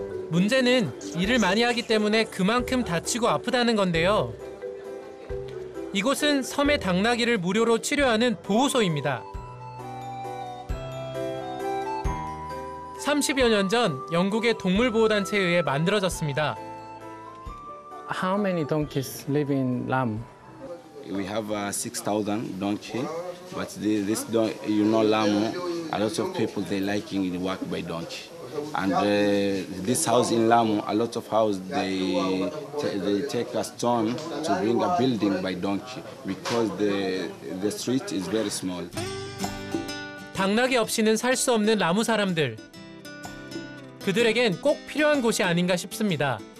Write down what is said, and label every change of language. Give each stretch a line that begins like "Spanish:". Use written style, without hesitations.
Korean: 문제는 일을 많이 하기 때문에 그만큼 다치고 아프다는 건데요. 이곳은 섬의 당나귀를 무료로 치료하는 보호소입니다. 30여 년 전 영국의 동물보호단체에 의해 만들어졌습니다.
English: How many donkeys live in Lam? We have 6,000 donkeys, but this donkey, you know Lam, a lot of people they liking the work by donkey. And this house in Lam, a lot of house they take a stone to bring a building by donkey because the street is very small.
Korean: 당나귀 없이는 살 수 없는 라무 사람들. 그들에겐 꼭 필요한 곳이 아닌가 싶습니다.